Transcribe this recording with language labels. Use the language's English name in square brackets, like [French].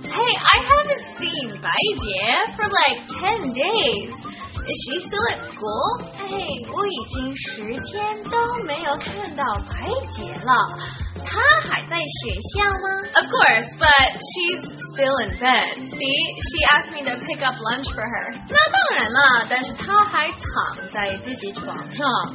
[English] Hey, I haven't seen 白姐 for like 10 days. Is she still at school? [Chinese] Hey, 我已经十天都没有看到白姐了。她还在学校吗？ [English] Of course, but she's still in bed. See, she asked me to pick up lunch for her. [Chinese] 那当然了，但是她还躺在自己床上。